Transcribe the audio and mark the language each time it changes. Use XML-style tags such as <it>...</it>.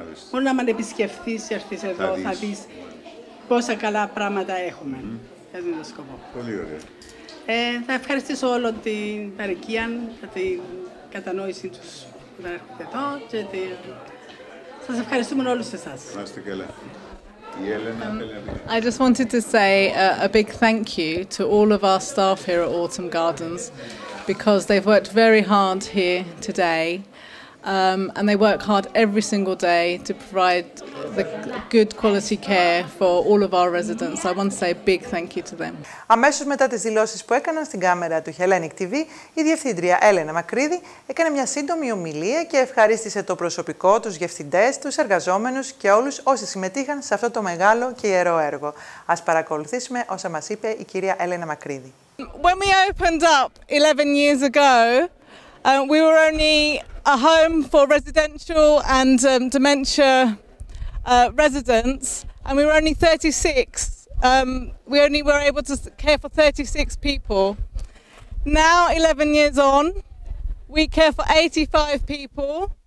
<el>Μπορεί να με επισκεφθείς, έρθεις εδώ, θα δεις πόσα καλά πράγματα έχουμε. Για τον σκοπό. Πολύ ωραία. Θα ευχαριστήσω όλη την παροικία για την κατανόηση τους που θα έρχονται εδώ. Σας ευχαριστούμε όλους εσάς. Να είστε καλά.</el> <en>I just wanted to say a big thank you to all of our staff here at Autumn Gardens because they've worked very hard here today and they work hard every single day to provide the good quality care for all of our residents. So I want to say a big thank you to them.</en> <el>Αμέσως μετά τις δηλώσεις που έκαναν στην κάμερα του Hellenic TV, η διευθύντρια Έλενα Μακρίδη έκανε μια σύντομη ομιλία και ευχαρίστησε το προσωπικό, τους διευθυντές, τους εργαζόμενους και όλους όσοι συμμετείχαν σε αυτό το μεγάλο και ιερό έργο. Ας παρακολουθήσουμε όσα μας είπε η κυρία Έλενα Μακρίδη.</el> <en>When we opened up 11 years ago, we were only a home for residential and dementia residents, and we were only 36. We only were able to care for 36 people. Now, 11 years on, we care for 85 people.</en>